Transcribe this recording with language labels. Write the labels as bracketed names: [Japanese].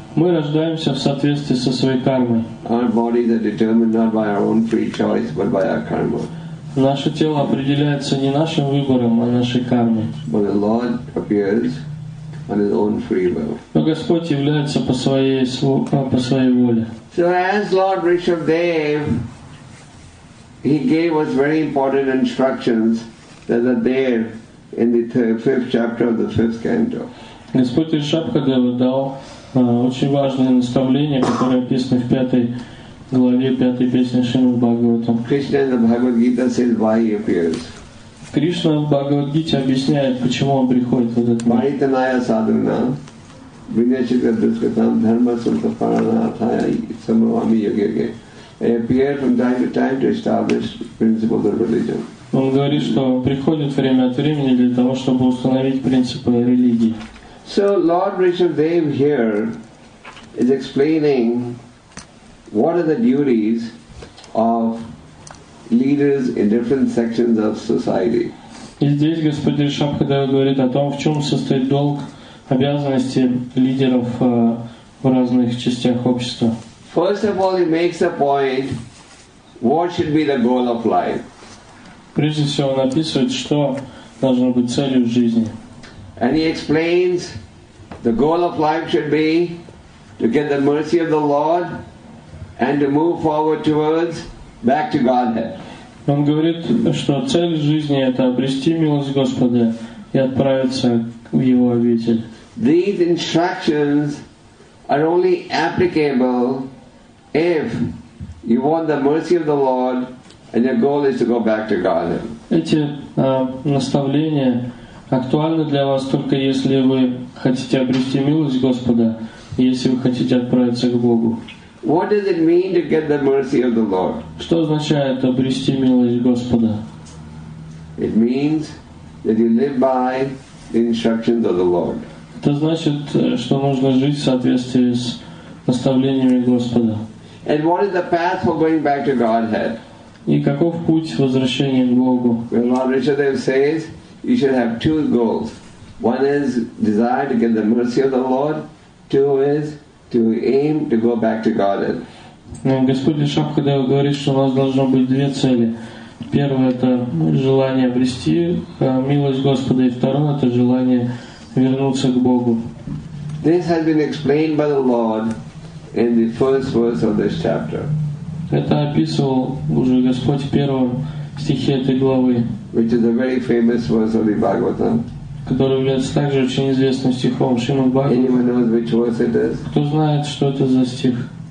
[Russian] Мы рождаемся в соответствии со своей кармой. [English] Our bodies are determined not by our own free choice, but by our karma. [Russian] Наше тело определяется не нашим выбором, а нашей кармой. [English] But the Lord appears on his own free will. [Russian] Но Господь является по своей воле. [English] So as Lord Rishabhadev, he gave us very important instructions that are there in the 5th chapter of the 5th canto. [Russian] Господь Ришабхадева дал очень важное наставление, которое описано в 5 главе 5 песни Шримад Бхагаватам. [English] Krishna in the Bhagavad Gita says why he appears. [Russian] Кришна в Бхагавад Гите объясняет, почему он приходит в этот мир. Vaitanaya sadhana vinyashita duskatam dharma sulta paranathaya samavami yogyage. [English] He appears from time to time to establish principles of religion. [Russian] Он говорит, что приходит время от времени для того, чтобы установить принципы религии. [English] So Lord Rishabhadev here is explaining what are the duties of leaders in different sections of society. [Russian] И здесь Господь Ришабхадева говорит о том, в чем состоит долг, обязанности лидеров в разных частях общества. [English] First of all, he makes a point, what should be the goal of life. [Russian] Прежде всего, он описывает, что должно быть целью жизни. [English] And he explains, the goal of life should be to get the mercy of the Lord and to move forward towards back to Godhead. [Russian] Он говорит, что цель жизни — это обрести милость Господа и отправиться в Его обитель. [English] These instructions are only applicable if you want the mercy of the Lord and your goal is to go back to Godhead. [Russian] Эти наставления актуальны для вас только если вы хотите обрести милость Господа, если вы хотите отправиться к Богу. [English] What does it mean to get the mercy of the Lord? [Russian] Что означает обрести милость Господа? [English] It means that you live by the instructions of the Lord. [Russian] Это значит, что нужно жить в соответствии с наставлениями Господа. [English] And what is the path for going back to Godhead? [Russian] И каков путь возвращения к Богу? [English] Well, Lord Rishadev says you should have two goals. One is desire to get the mercy of the Lord. Two is to aim to go back to Godhead. [Russian] Господь Ришабхадева говорит, что у нас должно быть две цели. Первое это желание обрести милость Господа, и второе это желание вернуться к Богу. [English] This has been explained by the Lord in the first verse of this chapter. [Russian] Это описывал уже Господь в первом стихе этой главы. [English] Which is a very famous verse of the Bhagavatam. [Russian] Который является также очень известным стихом Шримад Бхагаватам. Кто знает, что это за стих?